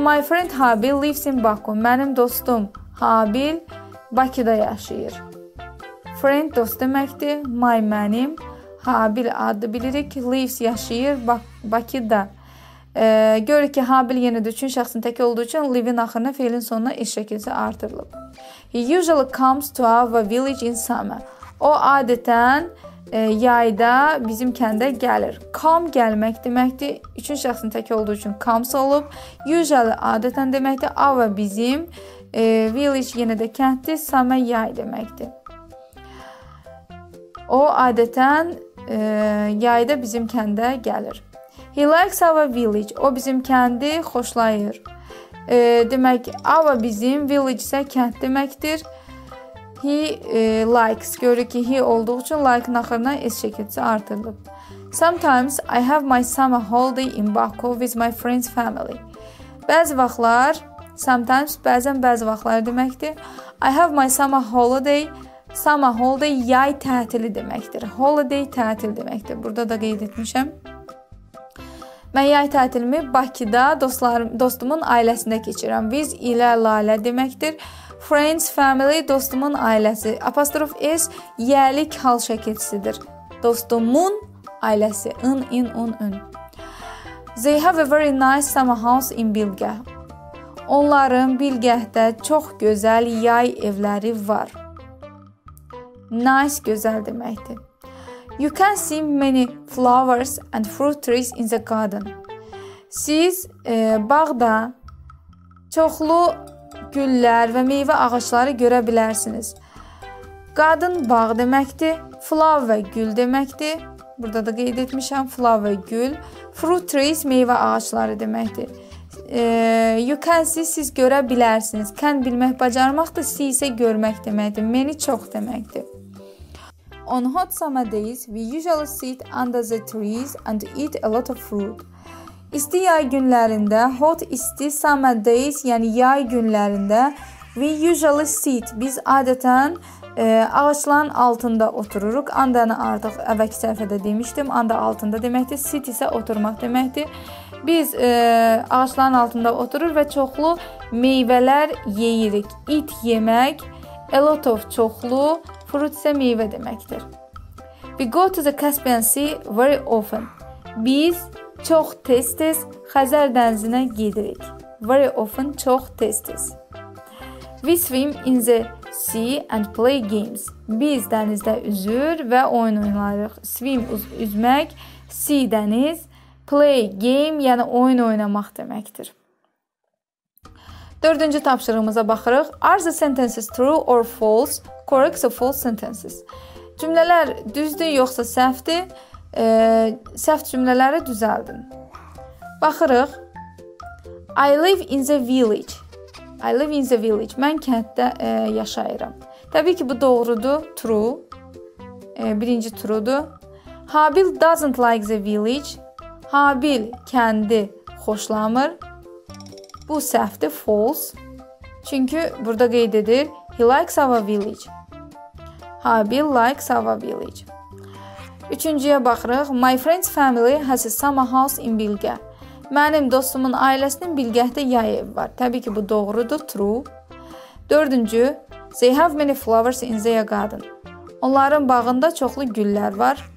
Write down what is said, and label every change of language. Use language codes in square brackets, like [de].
[en] My friend Habil lives in Baku. [az] Mənim dostum Habil Bakıda yaşayır. Friend dost deməkdir. My mənim. Habil adı bilirik. Lives yaşayır Bakıda. Görürük ki, Habil yenidir üçün şəxsin təki olduğu üçün live-in axırına, feilin sonuna iş şəkilisi artırılıb. [en] He usually comes to our village in summer. [az] O, adətən yayda bizim kəndə gəlir. Come gəlmək deməkdir. Üçün şəxsin təki olduğu üçün comes olub. Usually adətən deməkdir. Our bizim village yenidə kənddir. Summer yay deməkdir. O, adətən yayda bizim kəndə gəlir. [en] He likes our village. [az] O, bizim kəndi xoşlayır. Demək, our bizim, village isə kənd deməkdir. He likes. Görür ki, he olduğu üçün like-ın axırına s şəkilsi artırılıb. [en] Sometimes I have my summer holiday in Baku with my friends' family. [az] Bəzi vaxtlar, sometimes, bəzən bəzi vaxtlar deməkdir. I have my summer holiday. Summer holiday yay tətili deməkdir. Holiday tətil deməkdir. Burada da qeyd etmişəm. Mən yay tətilimi Bakıda dostumun ailəsində keçirəm. Biz ilə lalə deməkdir. Friends, family, dostumun ailəsi. Apostrof S, yəlik hal şəkilçisidir. Dostumun ailəsi. In, in, un, ın. [en] They have a very nice summer house in Bilge. [az] Onların Bilgəhdə çox gözəl yay evləri var. Nice, gözəl deməkdir. [en] You can see many flowers and fruit trees in the garden. [az] Siz bağda çoxlu güllər və meyvə ağaçları görə bilərsiniz. Garden bağ deməkdir, flower və gül deməkdir. Burada da qeyd etmişəm, flower və gül. Fruit trees meyvə ağaçları deməkdir. You can see, siz görə bilərsiniz. Can bilmək, bacarmaqdır, see isə görmək deməkdir. Many çox deməkdir. [en] On hot summer days, we usually sit under the trees and eat a lot of fruit. [az] İsti yay günlərində, hot isti summer days, yəni yay günlərində, [en] we usually sit, [az] biz adətən ağaçların altında otururuq. Andanı artıq əvvəlki səhifədə demişdim, anda altında deməkdir, sit isə oturmaq deməkdir. Biz ağaçların altında oturur və çoxlu meyvələr yeyirik. Eat yemək, a lot of çoxlu, fruit isə meyvə deməkdir. [en] We go to the Caspian Sea very often. [az] Biz çox tez-tez Xəzər dənizinə gedirik. Very often, çox tez-tez. [en] We swim in the sea and play games. [az] Biz dənizdə üzür və oyun oynayırıq. Swim, üzmək, sea, dəniz. Play, game, yəni oyun oynamaq deməkdir. Dördüncü tapşırığımıza baxırıq. [en] Are the sentences true or false? Correct the false sentences. [az] Cümlələr düzdür, yoxsa səhvdir? Səhv cümlələri düzəldin. [en] Baxırıq. I live in the village. I live in the village. [az] Mən kənddə yaşayıram. Təbii ki, bu doğrudur. True. Birinci true-dur. [en] Habil doesn't like the village. [az] Habil kəndi xoşlamır. Bu səhvdir. False. Çünki burada qeyd edir. [en] He likes our village. Habil likes our village. [az] Üçüncüyə baxırıq. [en] My friend's family has a summer house in Bilge. [az] Mənim dostumun ailəsinin Bilgəhdə yay evi var. Təbii ki, bu doğrudur. True. Dördüncü. [en] They have many flowers in their garden. [az] Onların bağında çoxlu güllər var.